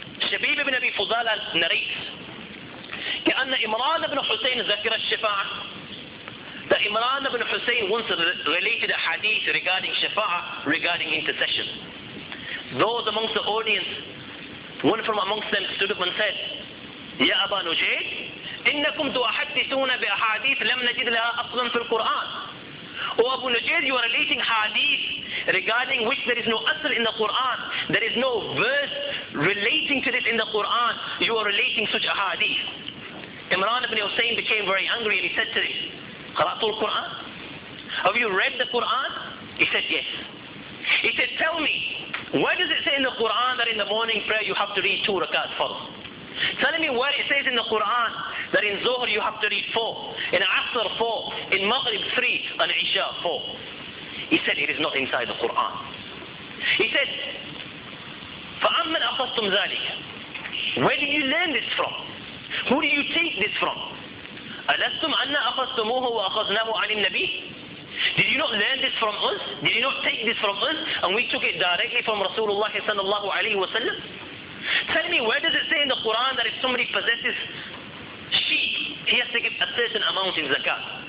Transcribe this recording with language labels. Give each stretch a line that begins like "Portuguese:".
English: Shabib ibn Abi Fudala narrates,
Arabic: كأن إمران بن حسين ذكر الشفاعة.
English: That Imran ibn Hussein once related a hadith regarding shafa'ah, regarding intercession. Those amongst the audience, one from amongst them stood up and said,
Arabic: يا أبا نجيد, إنكم تحدثون بأحاديث لم نجد لها أصلا في القرآن.
English: Oh Abu Najid, you are relating hadith regarding which there is no asr in the Quran. There is no verse relating to this in the Quran. You are relating such a hadith. Imran ibn Hussein became very angry and he said to him,
Arabic: قرأتوا القرآن?
English: Have you read the Quran? He said, yes. He said, tell me, where does it say in the Quran that in the morning prayer you have to read 2 rakat farz? Tell me where it says in the Quran that in Zuhr you have to read 4, in Asr 4, in Maghrib 3, and Isha 4. He said, it is not inside the Quran. He said,
Arabic: فَأَمَّنْ أَخَذْتُمْ ذَلِكَ?
English: Where did you learn this from? Who do you take this from?
Arabic: أَلَسْتُمْ أَنَّا أَخَذْتُمُوهُ وَأَخَذْنَاهُ عَنِ النَّبِيِّ?
English: Did you not learn this from us? Did you not take this from us? And we took it directly from Rasulullah sallallahu alayhi wa sallam. Tell me, where does it say in the Quran that if somebody possesses sheep, he has to give a certain amount in zakat?